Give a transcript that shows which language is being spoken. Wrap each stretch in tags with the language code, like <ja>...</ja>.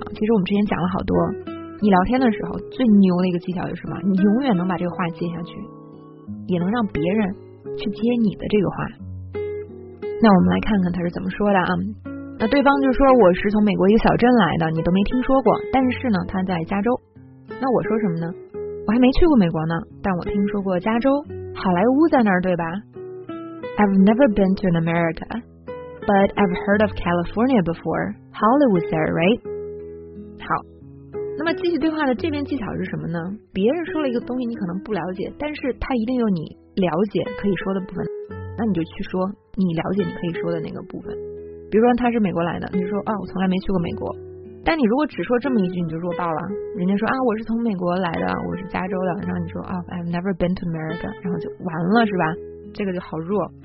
<zh>其实我们之前讲了好多，你聊天的时候最牛的一个技巧是什么？你永远能把这个话接下去，也能让别人去接你的这个话。那我们来看看他是怎么说的啊。那对方就说，我是从美国一个小镇来的，你都没听说过，但是呢他在加州。那我说什么呢？我还没去过美国呢，但我听说过加州，好莱坞在那儿对吧？</zh> <en>I've never been to an America, but I've heard of California before. Hollywood's there, right?</en> <zh>好，那么继续对话的这边技巧是什么呢？别人说了一个东西你可能不了解，但是他一定有你了解可以说的部分，那你就去说你了解你可以说的那个部分。比如说他是美国来的，你就说，哦，我从来没去过美国。但你如果只说这么一句你就弱爆了，人家说啊，我是从美国来的，我是加州的，然后你说啊，</zh> <en>I've never been to America，</en> <zh>然后就完了是吧？这个就好弱。</zh>